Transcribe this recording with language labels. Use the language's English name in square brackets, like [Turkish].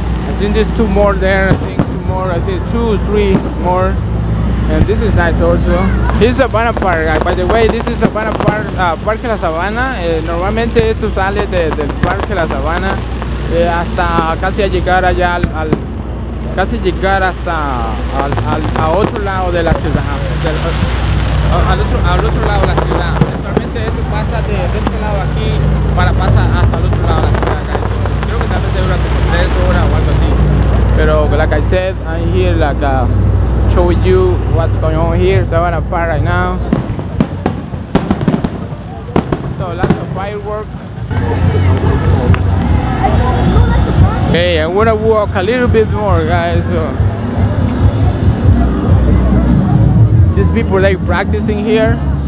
[English] I think there's 2 more there, I think 2 more, I think 2 or 3 more. And this is nice also. Here's Savannah Park. By the way, this is Savannah Park, Parque La Sabana. [Spanish] Normalmente esto sale del Parque La Sabana hasta casi a llegar allá a otro lado de la ciudad. Al otro lado de la ciudad. Normalmente esto pasa de este lado aquí para pasar hasta el otro lado de la ciudad. Creo que tal vez dura como 3 horas o algo así. Pero [English] like I said, I'm here like show you what's going on here, Savannah Park right now. So lots of fireworks. Hey, I wanna walk a little bit more, guys. So, these people, they practicing here.